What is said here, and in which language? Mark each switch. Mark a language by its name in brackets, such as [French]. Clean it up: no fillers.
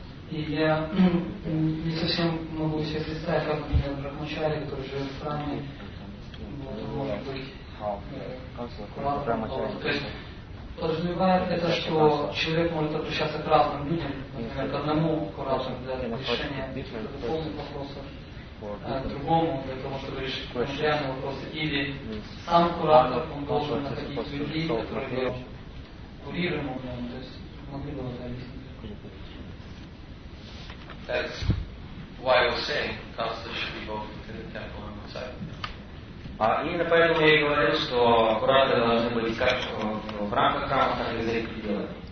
[Russian] И я не совсем могу себе представить, как меня Брахмачари, который живет в храме, может быть подразумевает это, что человек может обращаться к разным людям, например, к одному куратору для решения духовных вопросов, а к другому для того, чтобы решить материальные вопросы, или сам куратор, он должен находить людей, которые курируемые, то есть могли бы зависеть. [English] That's why I was saying counselors should be both within the temple and outside the temple. [Russian] Именно поэтому я и говорил, что кураторы должны быть как в рамках храма, так и за их пределами.